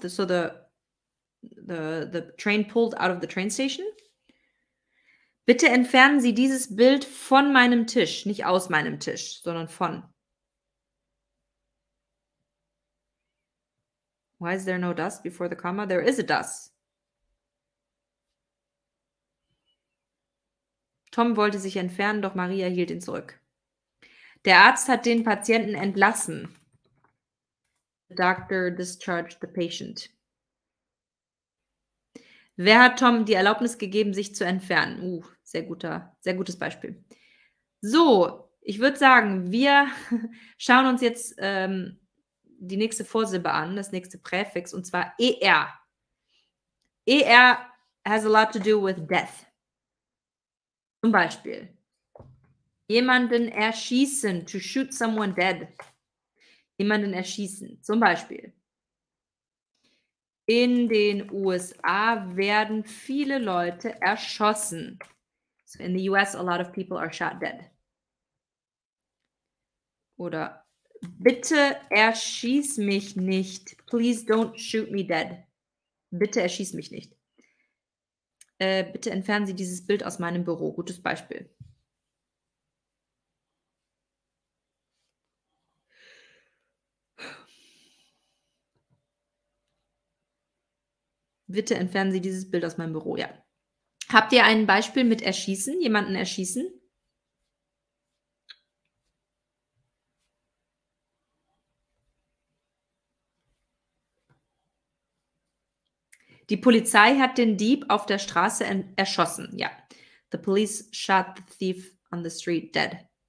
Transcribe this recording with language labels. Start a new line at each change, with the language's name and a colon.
English: So the train pulled out of the train station.
German: Bitte entfernen Sie dieses Bild von meinem Tisch. Nicht aus meinem Tisch, sondern von.
English: Why is there no dust before the comma? There is a dust.
German: Tom wollte sich entfernen, doch Maria hielt ihn zurück. Der Arzt hat den Patienten entlassen.
English: The doctor discharged the patient.
German: Wer hat Tom die Erlaubnis gegeben, sich zu entfernen? Sehr gutes Beispiel. So, ich würde sagen, wir schauen uns jetzt die nächste Vorsilbe an, das nächste Präfix, und zwar er.
English: Er has a lot to do with death.
German: Zum Beispiel, jemanden erschießen,
English: to shoot someone dead.
German: Jemanden erschießen. Zum Beispiel, in den USA werden viele Leute erschossen.
English: So in the US, a lot of people are shot dead.
German: Oder, bitte erschieß mich nicht.
English: Please don't shoot me dead.
German: Bitte erschieß mich nicht. Bitte entfernen Sie dieses Bild aus meinem Büro. Gutes Beispiel. Bitte entfernen Sie dieses Bild aus meinem Büro, ja. Habt ihr ein Beispiel mit erschießen? Jemanden erschießen? Die Polizei hat den Dieb auf der Straße erschossen. Ja. Yeah.
English: The police shot the thief on the street dead.